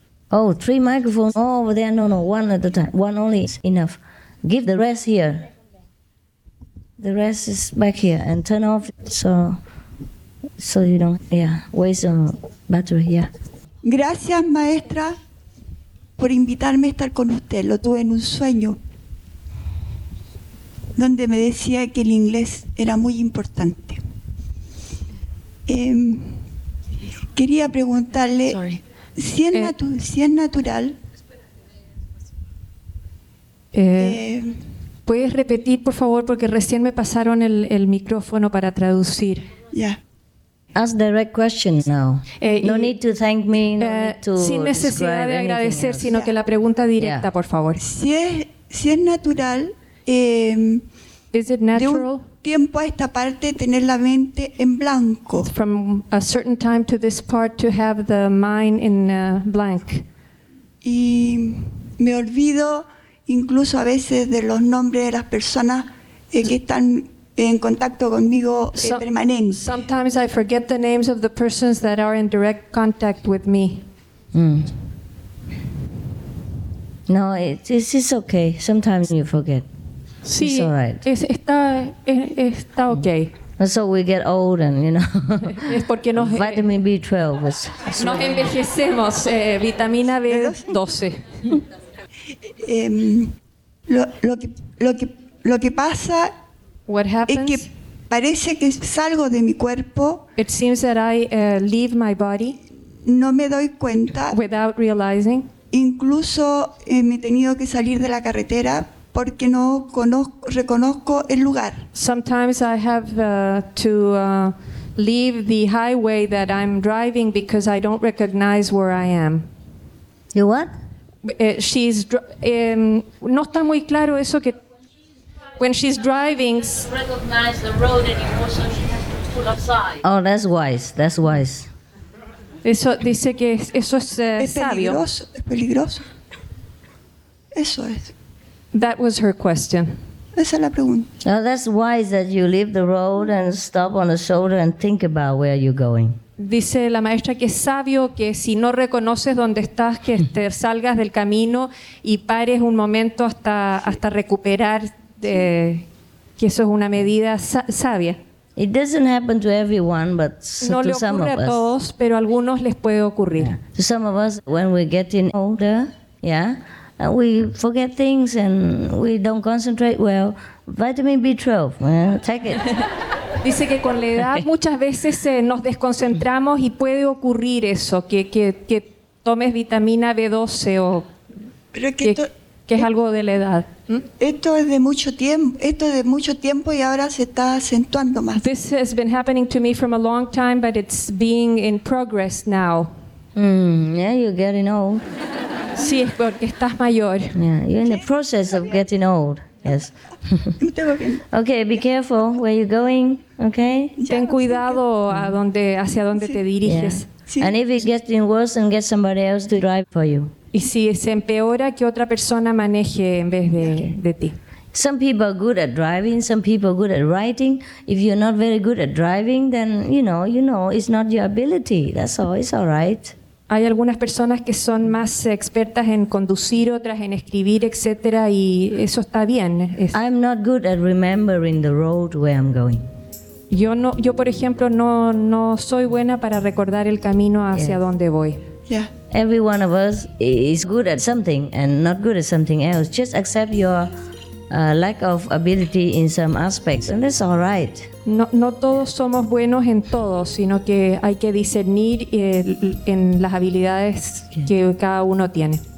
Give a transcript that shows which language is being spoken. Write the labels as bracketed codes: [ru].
[en] Oh, three microphones all over there. No, one at a time. One only is enough. Give the rest here. The rest is back here. And turn off so you don't waste your battery. Yeah. [es] Gracias, maestra, por invitarme a estar con usted. Lo tuve en un sueño donde me decía que el inglés era muy importante. Quería preguntarle. [en] Sorry. [es] Si es natural, ¿puedes repetir, por favor, porque recién me pasaron el micrófono para traducir? [en] Yeah. Ask direct questions now. No need to thank me. [es] Sin necesidad de agradecer, sino que la pregunta directa, por favor. Si es natural. [en] Is it natural? [es] Tiempo a esta parte tener la mente en blanco. [en] From a certain time to this part to have the mind in blank. [es] Y me olvido incluso a veces de los nombres de las personas que están en contacto conmigo permanente. [en] Sometimes I forget the names of the persons that are in direct contact with me. No, it's okay. Sometimes you forget. [es] Sí, [en] it's all right. [es] Está okay. [en] So we get old and, you know, [es] es porque nos, [en] vitamin B12. [es] Nos envejecemos, vitamina B12. lo que pasa [en] What happens? [es] Es que Parece que salgo de mi cuerpo. [en] It seems that I leave my body. [es] No me doy cuenta. [en] Without realizing. [es] Incluso me he tenido que salir de la carretera porque no conozco, reconozco el lugar. [en] Sometimes I have to leave the highway that I'm driving because I don't recognize where I am. You what? She's [es] no está muy claro eso que [en] when she's driving. She doesn't recognize the road anymore, so she has to pull aside. Oh, that's wise. That's wise. [es] Eso dice que eso es sabio. Es peligroso. Eso es. [en] That was her question. [es] Esa es la pregunta. [en] Oh, that's wise that you leave the road and stop on the shoulder and think about where you're going. [es] Dice la maestra que es sabio que si no reconoces dónde estás, que te salgas del camino y pares un momento hasta recuperar, que eso es una medida sabia. [en] It doesn't happen to everyone, but [es] no [en] to some of us. [es] No le ocurre a todos, pero a algunos les puede ocurrir. [en] Yeah. To some of us, when we're getting older, yeah, we forget things and we don't concentrate well. Vitamin B12, yeah, take it. [es] Dice que con la edad muchas veces nos desconcentramos y puede ocurrir eso, que tomes vitamina B12 o pero es que que es algo de la edad. Esto es de mucho tiempo. Esto es de mucho tiempo y ahora se está acentuando más. [en] This has been happening to me for a long time, but it's being in progress now. Yeah, you're getting old. [es] Sí, es porque estás mayor. [en] Yeah, you're in the process of getting old. Yes. Okay, be careful where you're going. Okay. [es] Ten cuidado a donde hacia dónde te diriges. [en] Yeah. And if it's getting worse, then get somebody else to drive for you. [es] Y si se empeora, que otra persona maneje en vez de ti. [en] Some people are good at driving, some people are good at writing. If you're not very good at driving, then you know, it's not your ability. That's all, it's all right. [es] Hay algunas personas que son más expertas en conducir, otras en escribir, etc. Y eso está bien. [en] I'm not good at remembering the road where I'm going. [es] Yo por ejemplo, no soy buena para recordar el camino hacia donde voy. [en] Yeah. Every one of us is good at something and not good at something else. Just accept your lack of ability in some aspects, and that's all right. [es] No todos somos buenos en todos, sino que hay que discernir en las habilidades que cada uno tiene.